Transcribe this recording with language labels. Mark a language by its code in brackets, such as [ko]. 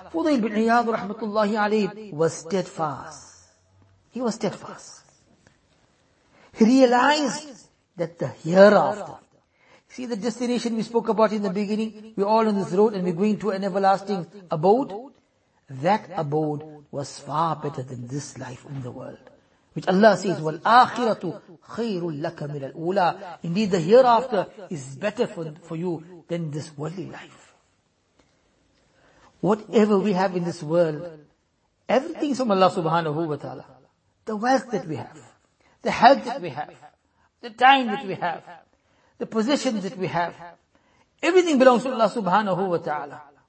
[en] Fudayl bin Iyad rahmatullahi alayhi was steadfast. He was steadfast. He realized that the hereafter, see the destination we spoke about in the beginning? We're all on this road and we're going to an everlasting abode. That abode was far better than this life in the world. Which Allah says, [ar] وَالْآخِرَةُ خَيْرٌ لَكَ مِنَ الْأُولَىٰ. [en] Indeed, the hereafter is better for you than this worldly life. Whatever we have in this world, everything is from Allah subhanahu wa ta'ala. The wealth that we have, the health that we have, the time that we have, the possessions that we have, everything belongs to Allah subhanahu wa ta'ala.